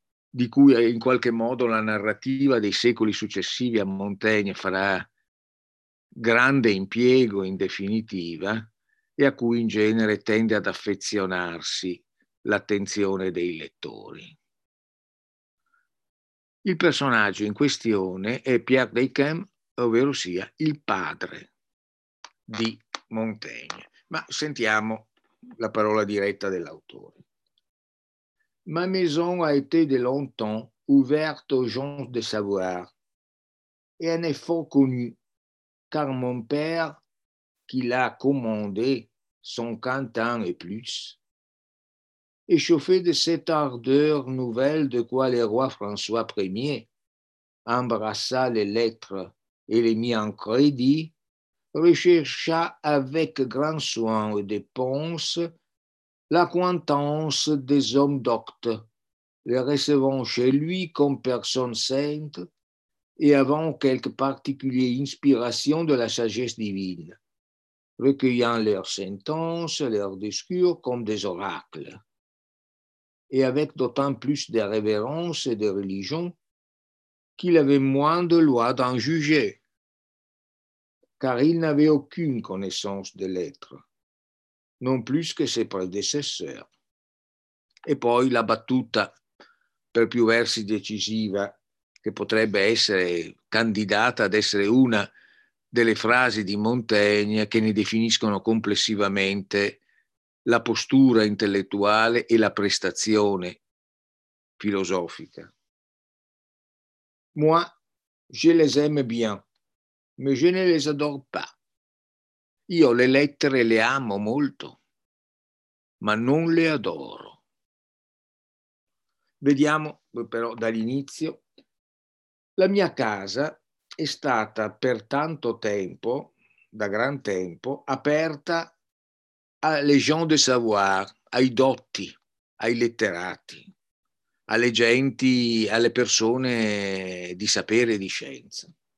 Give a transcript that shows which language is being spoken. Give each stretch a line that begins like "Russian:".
Italian: di cui in qualche modo la narrativa dei secoli successivi a Montaigne farà grande impiego in definitiva, e a cui in genere tende ad affezionarsi l'attenzione dei lettori. Il personaggio in questione è Pierre Descamps, ovvero sia il padre di Montaigne. Ma sentiamo la parola diretta dell'autore.
French: Ma maison a été de longtemps ouverte aux gens de savoir et en est fort connue, car mon père, qui l'a commandé son 50 ans et plus, échauffé de cette ardeur nouvelle de quoi le roi François Ier embrassa les lettres et les mit en crédit, rechercha avec grand soin et dépense l'acquaintance des hommes doctes, les recevant chez lui comme personnes saintes et avant quelque particulière inspiration de la sagesse divine, recueillant leurs sentences, leurs discours comme des oracles, et avec d'autant plus de révérence et de religion qu'il avait moins de loi d'en juger, car il n'avait aucune connaissance de lettres, non plus que ses prédécesseurs.
Italian: E poi la battuta, per più versi decisiva, che potrebbe essere candidata ad essere una delle frasi di Montaigne che ne definiscono complessivamente la postura intellettuale e la prestazione filosofica.
French: Moi, je les aime bien, mais je ne les adore pas.
Italian: Io le lettere le amo molto, ma non le adoro. Vediamo però dall'inizio. La mia casa è stata per tanto tempo, da gran tempo, aperta a
French: les gens de savoir,
Italian: ai dotti, ai letterati, alle genti, alle persone di sapere e di scienza.